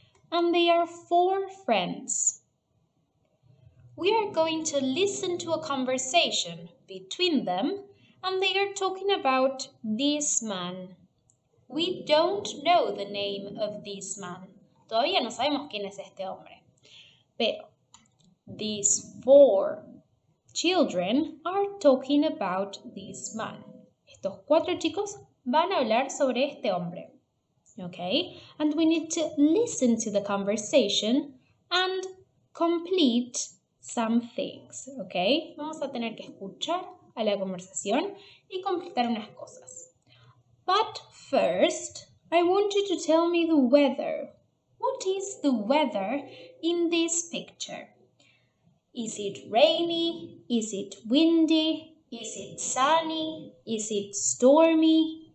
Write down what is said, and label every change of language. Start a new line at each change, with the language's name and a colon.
English: And they are four friends. We are going to listen to a conversation between them, and they are talking about this man. We don't know the name of this man.
Spanish: Todavía no sabemos quién es este hombre.
English: Pero these four children are talking about this man.
Spanish: Estos cuatro chicos van a hablar sobre este hombre.
English: Okay? And we need to listen to the conversation and complete some things. Okay?
Spanish: Vamos a tener que escuchar a la conversación y completar unas cosas.
English: But first, I want you to tell me the weather. What is the weather in this picture? Is it rainy? Is it windy? Is it sunny? Is it stormy?